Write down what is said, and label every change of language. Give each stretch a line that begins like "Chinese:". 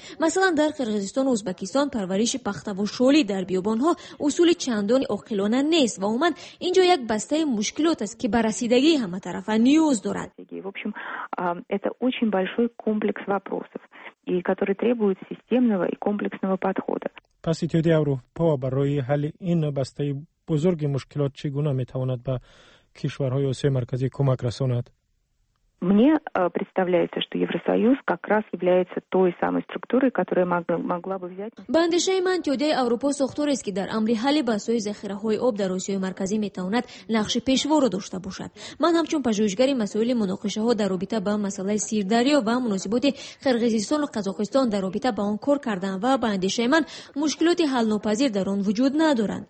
Tajik: Масалан, дар Қирғизистон ва Узбекистон парвариши пахтаву шоли дар биёбонҳо усули чандони оқилона нест ва умуман инҷо як бастаи мушкилот аст ки ба расидагии ҳаматарафа ниёз дорад. Пас Иттиҳоди Аврупо барои ҳалли ин бастаи бузурги мушкилот чӣ гуна метавонад ба кишварҳои Осиёи марказӣ кӯмак расонад?
Russian: Мне представляется, что Евросоюз как раз является той самой структурой, которая могла бы взять.
Tajik: Бандишей мантиодей Аврупо сохторест, ки дар амри ҳалли ба сои захираҳои об дар Осиёи марказӣ метавонад нақши пешворо дошта бошад. Ман ҳамчун пажӯҳишгари масъули муноқишаҳо дар робита ба масъалаи Сирдарё ва муносиботи Қирғизистон ва Қазоқистон дар робита ба он кор кардам ва ба андешаи ман мушкилоти ҳалнопазир дар он вуҷуд надоранд.